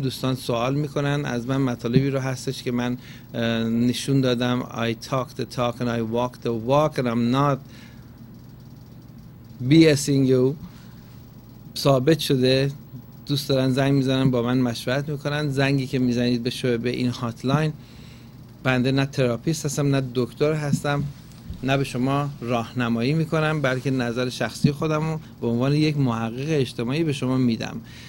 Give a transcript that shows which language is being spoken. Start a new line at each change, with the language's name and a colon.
Persian: دوستان سوال میکنن از من، مطالبی رو هستش که من نشون دادم.
English: I talk the talk and I walk the walk and I'm not BSing you.
Persian: ثابت شده. دوست دارن زنگ میزنن با من مشورت میکنن. زنگی که میزنید به شعبه این هاتلاین، بنده نه تراپیست هستم نه دکتر هستم، نه به شما راهنمایی میکنم، بلکه نظر شخصی خودمو به عنوان یک محقق اجتماعی به شما میدم.